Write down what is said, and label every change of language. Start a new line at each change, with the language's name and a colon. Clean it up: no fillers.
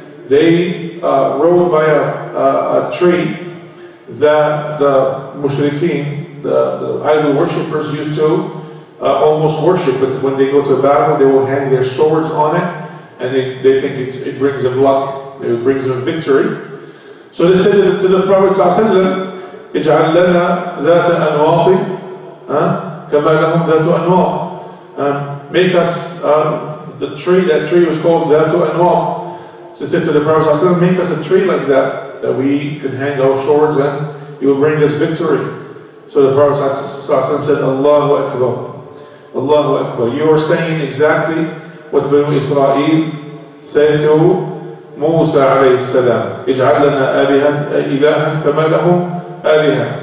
English: They rode by a tree that the mushrikeen, the idol worshippers, used to almost worship. But when they go to battle, they will hang their swords on it, and they think it brings them luck, it brings them victory. So they said to the Prophet ﷺ,
Arabic: اجعل لنا ذات أنواط كما لهم ذات أنواط.
English: Make us that tree was called ذات أنواط. So they said to the Prophet ﷺ, make us a tree like that, that we can hang our swords and it will bring us victory. So the Prophet ﷺ said, Allahu Akbar, Allahu Akbar. You are saying exactly what Banu Israel said to Musa alayhi salam,
Arabic: اجعل لنا آلهة إلها كما لهم آلهة.